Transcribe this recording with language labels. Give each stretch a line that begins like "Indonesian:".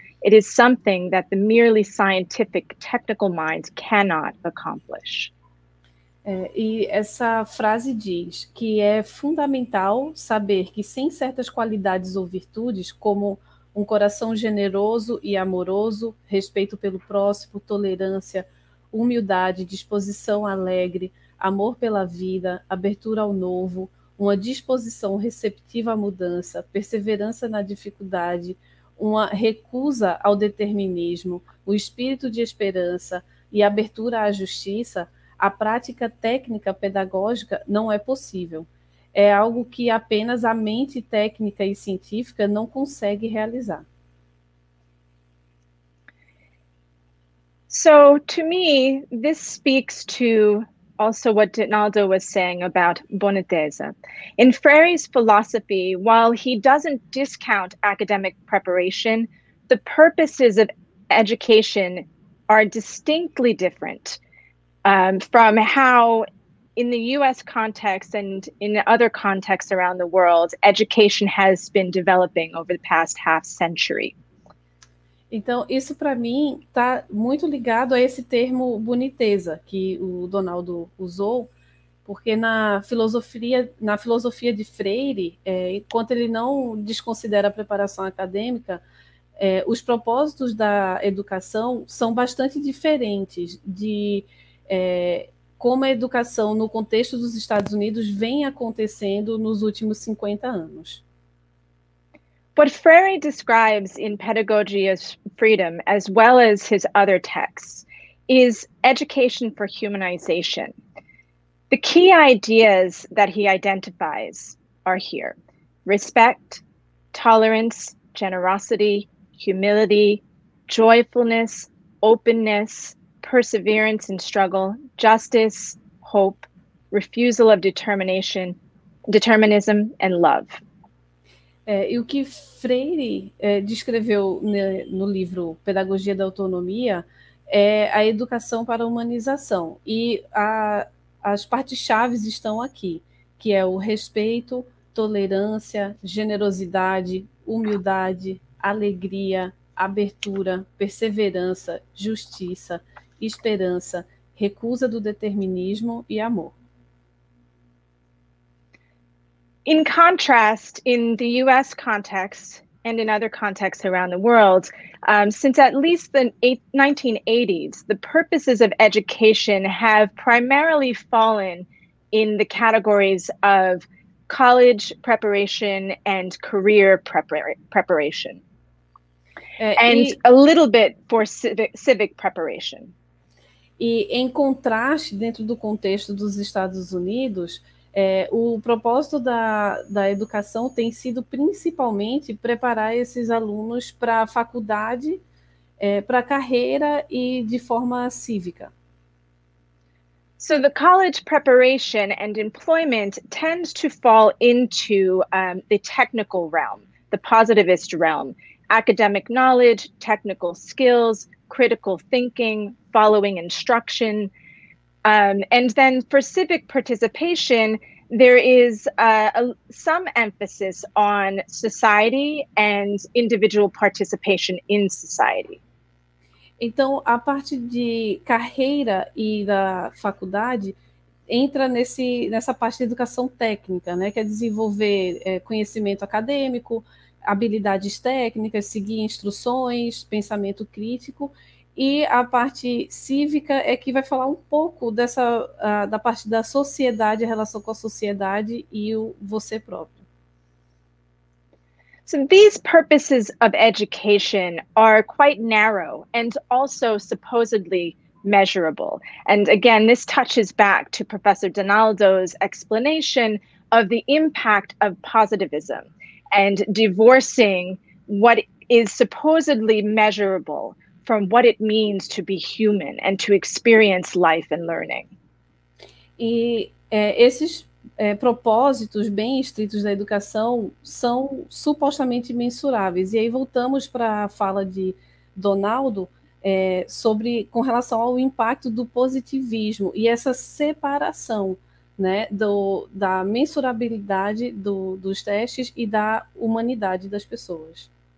English: It is something that the merely scientific, technical mind cannot accomplish."
Portuguese: E essa frase diz que é fundamental saber que sem certas qualidades ou virtudes, como um coração generoso e amoroso, respeito pelo próximo, tolerância, humildade, disposição alegre, amor pela vida, abertura ao novo, uma disposição receptiva à mudança, perseverança na dificuldade, uma recusa ao determinismo, um espírito de esperança e abertura à justiça, a prática técnica pedagógica não é possível. É algo que apenas a mente técnica e científica não consegue realizar.
English: So, to me, this speaks to also what Donaldo was saying about boniteza. In Freire's philosophy, while he doesn't discount academic preparation, the purposes of education are distinctly different from how in the US context and in other contexts around the world, education has been developing over the past half century.
Portuguese: Então, isso para mim está muito ligado a esse termo boniteza que o Donaldo usou, porque na filosofia de Freire, enquanto ele não desconsidera a preparação acadêmica, os propósitos da educação são bastante diferentes de como a educação no contexto dos Estados Unidos vem acontecendo nos últimos 50 anos.
English: What Freire describes in Pedagogy of Freedom, as well as his other texts, is education for humanization. The key ideas that he identifies are here: respect, tolerance, generosity, humility, joyfulness, openness, perseverance in struggle, justice, hope, refusal of determinism, and love.
Portuguese: E o que Freire descreveu no livro Pedagogia da Autonomia a educação para a humanização. E as partes chaves estão aqui, que é o respeito, tolerância, generosidade, humildade, alegria, abertura, perseverança, justiça, esperança, recusa do determinismo e amor.
English: In contrast, in the US context and in other contexts around the world, since at least the 1980s, the purposes of education have primarily fallen in the categories of college preparation and career preparation. And a little bit for civic preparation.
Portuguese: E em contraste, dentro do contexto dos Estados Unidos, o propósito da educação tem sido principalmente preparar esses alunos para a faculdade, para a carreira e de forma cívica.
English: So the college preparation and employment tends to fall into the technical realm, the positivist realm. Academic knowledge, technical skills, critical thinking, following instruction. And then for civic participation, there is some emphasis on society and individual participation in society.
Portuguese: Então, a parte de carreira e da faculdade entra nessa parte de educação técnica, né? Que é desenvolver conhecimento acadêmico, habilidades técnicas, seguir instruções, pensamento crítico, e a parte cívica é que vai falar um pouco da parte da sociedade, a relação com a sociedade e o você próprio.
English: So these purposes of education are quite narrow and also supposedly measurable. And again, this touches back to Professor Donaldo's explanation of the impact of positivism and divorcing what is supposedly measurable from what it means to be human and to experience life and learning.
Portuguese: E esses propósitos bem estritos da educação são supostamente mensuráveis. E aí voltamos para a fala de Donaldo sobre com relação ao impacto do positivismo e essa separação, né, da mensurabilidade dos testes e da humanidade das pessoas.